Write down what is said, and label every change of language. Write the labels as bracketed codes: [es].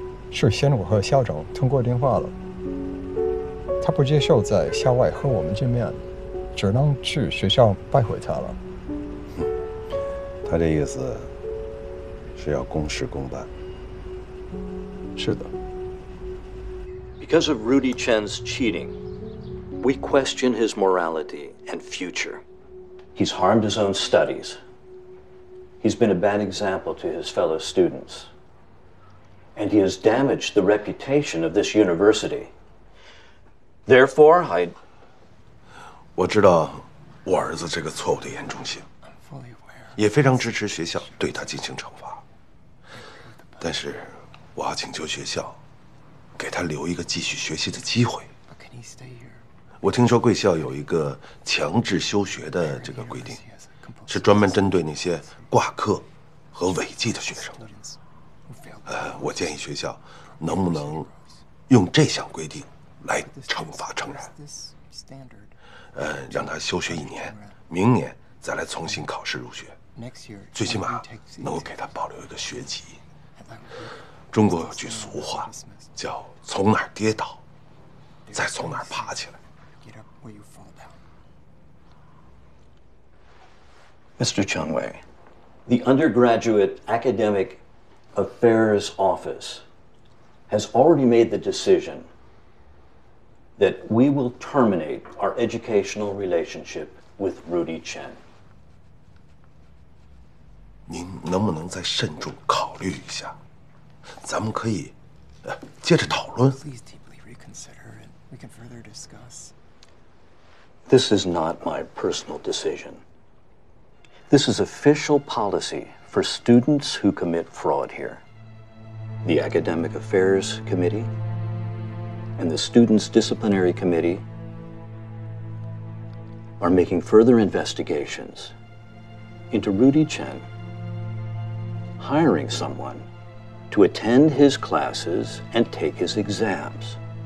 [zh] 是先我和校长通过电话了，他不接受在校外和我们见面，只能去学校拜会他了。他这意思是要公事公办。是的。 [en] Because of Rudy Chen's cheating, we question his morality and future. He's harmed his own studies. He's been a bad example to his fellow students. And he has damaged the reputation of this university. Therefore, I. [zh] 我知道我儿子这个错误的严重性，也非常支持学校对他进行惩罚。但是我要请求学校给他留一个继续学习的机会。我听说贵校有一个强制休学的这个规定，是专门针对那些挂科和违纪的学生的。我建议学校能不能用这项规定来惩罚成人，让他休学一年，明年再来重新考试入学，最起码能够给他保留一个学籍。中国有句俗话叫从哪儿跌倒再从哪儿爬起来。 [en] Mr. Chen Wei, the Undergraduate Academic Affairs Office has already made the decision that we will terminate our educational relationship with Rudy Chen. [zh] 您能不能再慎重考虑一下，咱们可以接着讨论。 [en] Please deeply reconsider and we can further discuss. This is not my personal decision. This is official policy for students who commit fraud here. The Academic Affairs Committee and the Students Disciplinary Committee are making further investigations into Rudy Chen hiring someone to attend his classes and take his exams.